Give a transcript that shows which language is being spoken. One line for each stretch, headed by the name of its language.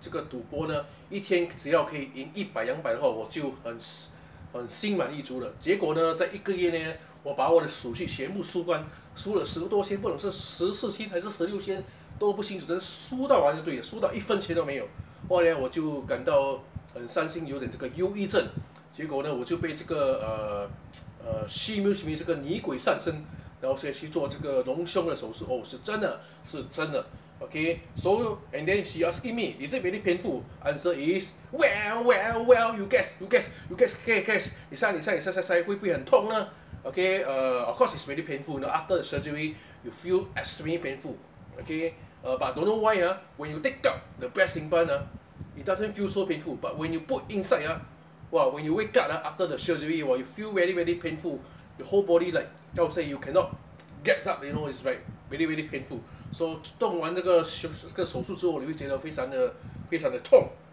Chinese: 赌博呢，一天只要可以赢100-200的话，我就很心满意足了。结果呢，在一个月呢，我把我的手续全部输光，输了10多千，不懂是14千还是16千，都不清楚，真输到完就对了，输到一分钱都没有。后来我就感到很伤心，有点这个忧郁症。结果呢，我就被这个虚名这个女鬼上身，然后先去做这个隆胸的手术，哦，是真的，是真的。
English: Okay, so and then she asking me, is it very painful? Answer is well, you guess, okay.
Chinese: 你猜，会不会很痛呢？
English: Okay, of course it's very painful. You know, after the surgery, you feel extremely painful. Okay, but don't know why, when you take out the breast implant, it doesn't feel so painful. But when you put inside, wow, when you wake up, after the surgery, wow, you feel very, very painful. Your whole body, like, I'll say, you cannot get up, you know, it's like very, very painful.
Chinese: 所、
English: so,
Chinese: 以动完这个手术之后，你会觉得非常的非常的痛。